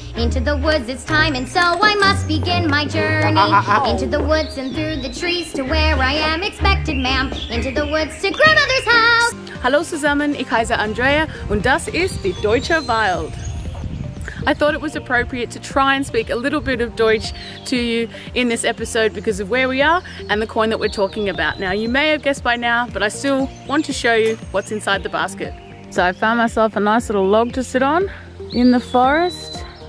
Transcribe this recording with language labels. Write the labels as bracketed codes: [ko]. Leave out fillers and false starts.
[en] Into the woods, it's time, and so I must begin my journey. Into the woods and through the trees to where I am expected, ma'am. Into the woods to grandmother's house. [de] Hallo zusammen, ich heiße Andrea und das ist die Deutsche Wald. [en] I thought it was appropriate to try and speak a little bit of Deutsch to you in this episode because of where we are and the coin that we're talking about. Now, you may have guessed by now, but I still want to show you what's inside the basket. So I found myself a nice little log to sit on in the forest.